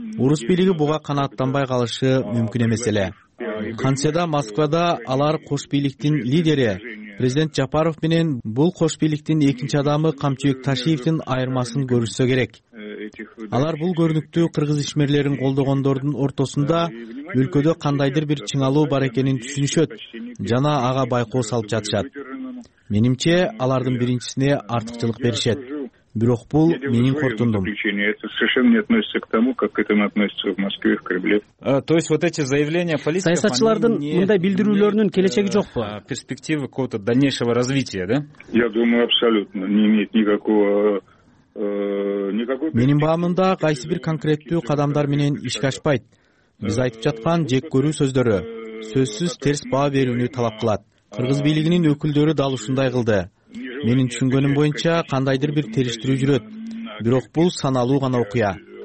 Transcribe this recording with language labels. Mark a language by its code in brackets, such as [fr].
[ky] Орус бийлиги буга канааттанбай калышы мүмкүн эмес эле. Кантсе Москвада алар кош бийликтин лидери президент Жапаров менен бул кош бийликтин экинчи адамы Камчыбек Ташиевдин айырмасын көрүшсө керек. Алар бул көрүнүктүү кыргыз ишмерлерин колдогондордун ортосунда өлкөдө кандайдыр бир чыңалуу бар экенин түшүнүшөт жана ага байкоо салып жатышат. Менимче, алардын биринчисине артыкчылык беришет. Бирок бул менин кортундум. [ru] Это совершенно не относится к тому, как это относится в Москве, в Кремле. То есть вот эти заявления политиков... [ky] Саясатчылардын мындай билдирүүлөрүнүн келечеги жокпу? [ru] Перспективы какого-то дальнейшего развития, да? Я думаю, абсолютно. Не имеет никакого... [ky] Менин баамымда кайсы бир конкреттүү кадамдар менен ишке ашпайт. Биз айтып жаткан жек көрүү сөздөрү сөзсүз терс баа берүүнү талап кылат. Кыргыз бийлигинин өкүлдөрү дал ушундай кылды. Менин түшүнгөнүм боюнча кандайдыр бир териштирүү жүрөт, бирок бул саналуу гана окуя.